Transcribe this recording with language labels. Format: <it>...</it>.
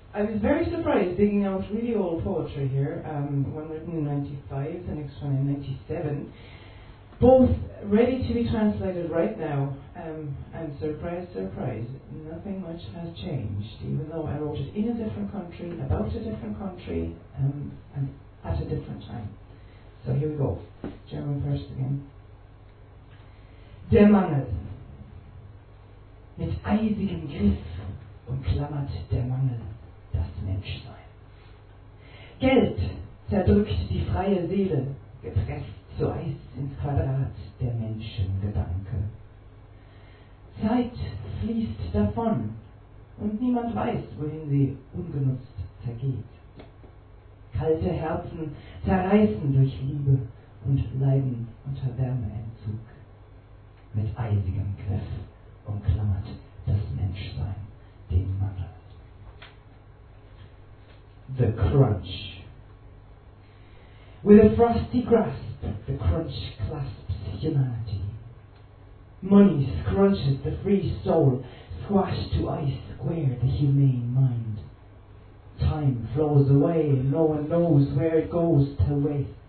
<en>I was very surprised digging out really old poetry here, one written in 95, the next one in 97, both ready to be translated right now, and surprise, surprise, nothing much has changed, even though I wrote it in a different country, about a different country, and at a different time. So here we go, German first again.</en> <de>Der Mann mit eisigem Griff umklammert der Mangel das Menschsein. Geld zerdrückt die freie Seele, gepresst zu Eis ins Quadrat der Menschengedanke. Zeit fließt davon und niemand weiß, wohin sie ungenutzt zergeht. Kalte Herzen zerreißen durch Liebe und leiden unter Wärmeentzug. Mit eisigem Griff umklammert das Menschsein den Mangel.</de> <en>The crunch. With a frosty grasp, the crunch clasps humanity. Money scrunches the free soul, squashed to ice square the humane mind. Time flows away, no one knows where it goes to waste.</en>